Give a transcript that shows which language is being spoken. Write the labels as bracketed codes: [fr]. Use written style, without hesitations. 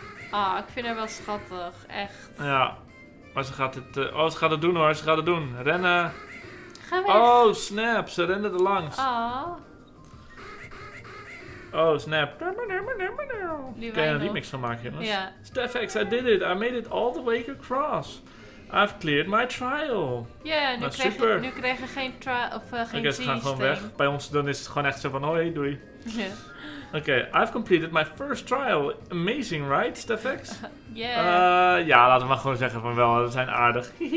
[nl] Ah, ik vind haar wel schattig. Echt. Ja. Maar ze gaat het... ze gaat het doen, hoor. Ze gaat het doen. Rennen. Ga weg. [en] Oh, snap. [nl] Ze rende er langs. Ah. [en] Oh, snap. [nl] Kun je een remix van maken, jongens? Ja. Yeah. [en] StefX, I did it. I made it all the way across. I've cleared my trial. [nl] Ja, nu krijg je geen trial of geen Oké, ze gaan gewoon weg. Bij ons dan is het gewoon echt zo van, oh hey, doei. Ja. Yeah. [en] Oké, I've completed my first trial. Amazing, right, StefX? Yeah. [nl] Ja, laten we maar gewoon zeggen van wel, we zijn aardig.